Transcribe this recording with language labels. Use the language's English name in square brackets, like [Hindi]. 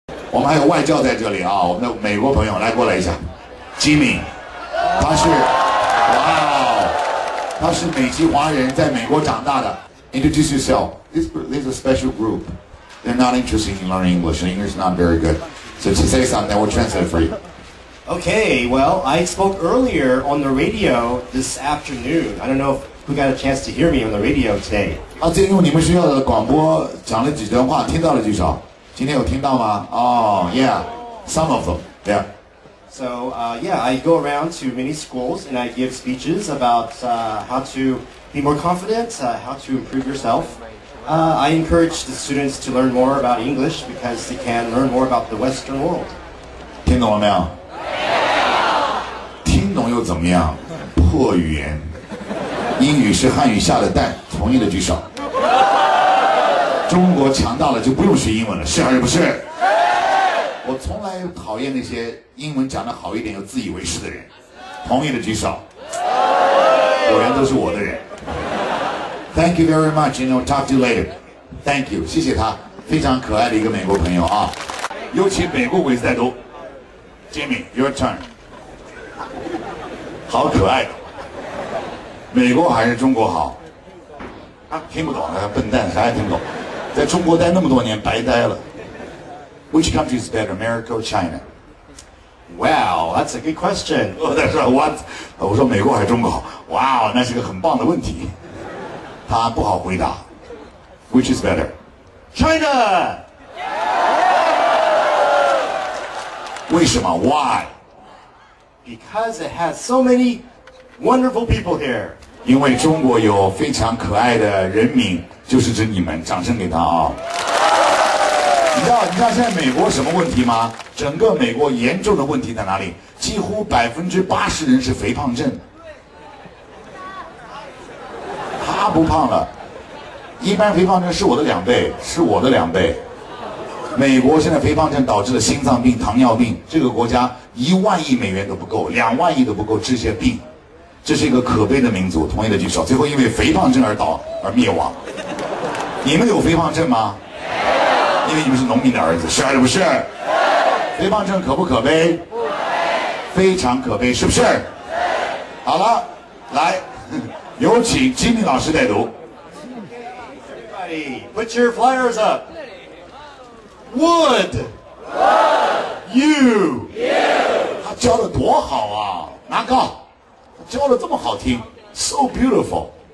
[Chinese] 我们还有外教在这里啊，我们的美国朋友来过来一下 ，Jimmy， 他是，哇，他是美籍华人，在美国长大的。 [English] Introduce yourself. This is a special group. They're not interested in learning English. English is not very good. So to say something, we'll translate it for you. Okay. Well, I spoke earlier on the radio this afternoon. I don't know if who got a chance to hear me on the radio today. [Chinese] 啊，今天你们学校的广播讲了几段话，听到了几首。今天有听到吗？ [English] 哦、oh, ，Yeah, some of them. Yeah. So, yeah, I go around to many schools and I give speeches about how to be more confident, how to improve yourself. I encourage the students to learn more about English because they can learn more about the Western world. [Chinese] 听懂了没有？听懂又怎么样？破语言，英语是汉语下的蛋，同意的举手。中国强大了就不用学英文了，是还是不是？我从来讨厌那些英文讲得好一点又自以为是的人，同意的举手。果然都是我的人。 [English] Thank you very much, and I'll talk to you later. Thank you, [Chinese] 谢谢他，非常可爱的一个美国朋友啊。尤其美国鬼子在读。Jimmy, [English] your turn. [Chinese] 好可爱的。美国还是中国好？啊，听不懂，笨蛋，啥也听不懂。在中国待那么多年，白待了。 [English] Which country is better, America or China? Wow, that's a good question. That's a what? [Chinese] 我说美国还是中国好？ Wow, 那是个很棒的问题。他不好回答。 [English] Which is better? China! Yeah! [Chinese] 为什么？ [English] Why? Because it has so many wonderful people here. [Chinese] 因为中国有非常可爱的人民，就是指你们，掌声给他啊、哦。你知道现在美国什么问题吗？整个美国严重的问题在哪里？几乎80%人是肥胖症。他不胖了，一般肥胖症是我的两倍，是我的两倍。美国现在肥胖症导致了心脏病、糖尿病，这个国家$10,000,000,000都不够，20,000,000,000都不够治些病。这是一个可悲的民族，同意的举手。最后因为肥胖症而灭亡。你们有肥胖症吗？因为你们是农民的儿子，是还是不是？是。肥胖症可不可悲？不悲。非常可悲，是不是？是。好了，来，有请金明老师带读。 [English] Everybody, put your flyers up. Would. Would. You. You. [Chinese] 他教的多好啊，拿高，他教的这么好听 ， [English] so beautiful.